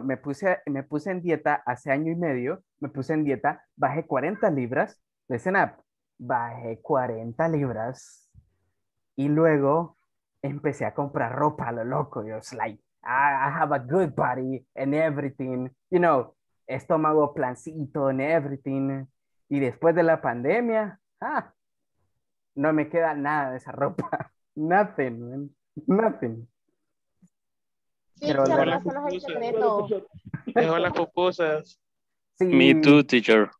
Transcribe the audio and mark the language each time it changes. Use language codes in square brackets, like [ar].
[es] Me puse en dieta hace año y medio. Me puse en dieta. Bajé 40 libras. [en] Listen up. [es] Bajé 40 libras. Y luego empecé a comprar ropa a lo loco. [en] Yo was like, I have a good body and everything. You know, [es] estómago plancito [en] and everything. [es] Y después de la pandemia, no me queda nada de esa ropa. [en] Nothing, man. Nothing. [es] Sí, pero se las pupusas. Dejó las pupusas. [en] Sí. Me too, teacher.